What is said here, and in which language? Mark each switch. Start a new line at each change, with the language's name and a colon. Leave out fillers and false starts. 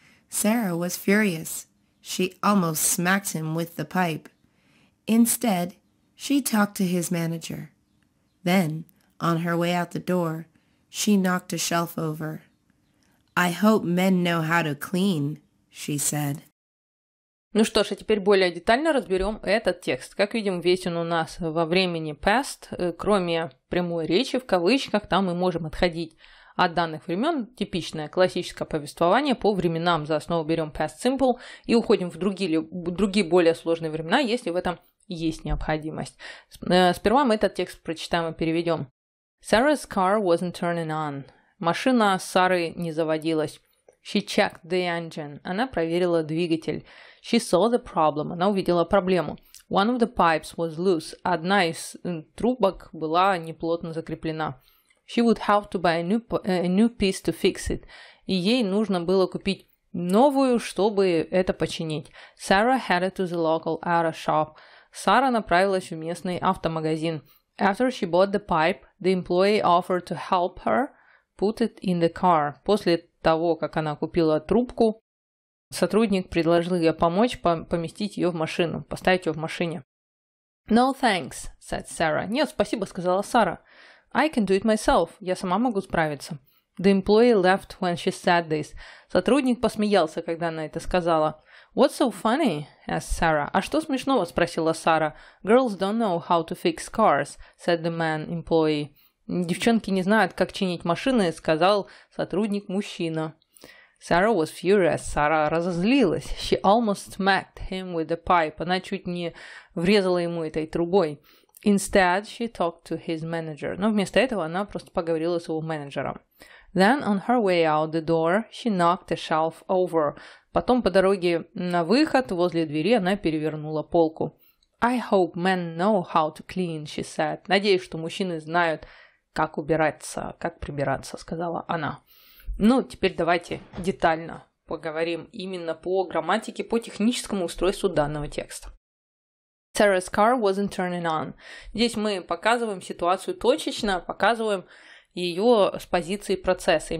English: Sarah was furious. She almost smacked him with the pipe. Instead, she talked to his manager. Then, on her way out the door, she knocked a shelf over. "I hope men know how to clean," she said.
Russian: Ну что ж, а теперь более детально разберем этот текст. Как видим, весь он у нас во времени past, кроме прямой речи в кавычках, там мы можем отходить от данных времен. Типичное классическое повествование по временам, за основу берем past simple и уходим в другие более сложные времена, если в этом есть необходимость. Сперва мы этот текст прочитаем и переведем.
English: Sarah's car wasn't turning on.
Russian: Машина Сары не заводилась.
English: She checked the engine.
Russian: Она проверила двигатель.
English: She saw the problem.
Russian: Она увидела проблему.
English: One of the pipes was loose.
Russian: Одна из трубок была неплотно закреплена.
English: She would have to buy a new piece to fix it.
Russian: И ей нужно было купить новую, чтобы это починить.
English: Sarah headed to the local auto shop.
Russian: Сара направилась в местный автомагазин.
English: After she bought the pipe, the employee offered to help her put it in the car.
Russian: После того, как она купила трубку, сотрудник предложил ей помочь поместить ее в машину, поставить ее в машине.
English: "No thanks," said Sarah.
Russian: "Нет, спасибо,"
English: сказала Сара. "I can do it myself."
Russian: Я сама могу справиться.
English: The employee laughed when she said this.
Russian: Сотрудник посмеялся, когда она это сказала.
English: "What's so funny?" asked Sarah.
Russian: "А что смешного?"
English: спросила Сара. "Girls don't know how to fix cars," said the man employee.
Russian: Девчонки не знают, как чинить машины, сказал сотрудник-мужчина.
English: Sarah was furious.
Russian: Сара разозлилась.
English: She almost smacked him with the pipe.
Russian: Она чуть не врезала ему этой трубой.
English: Instead, she talked to his manager.
Russian: Но вместо этого она просто поговорила с его менеджером.
English: Then, on her way out the door, she knocked a shelf over.
Russian: Потом по дороге на выход возле двери она перевернула полку.
English: I hope men know how to clean, she said.
Russian: Надеюсь, что мужчины знают, как убираться, как прибираться, сказала она. Ну, теперь давайте детально поговорим именно по грамматике, по техническому устройству данного текста.
English: Sarah's car wasn't turning on.
Russian: Здесь мы показываем ситуацию точечно, показываем ее с позиции процесса.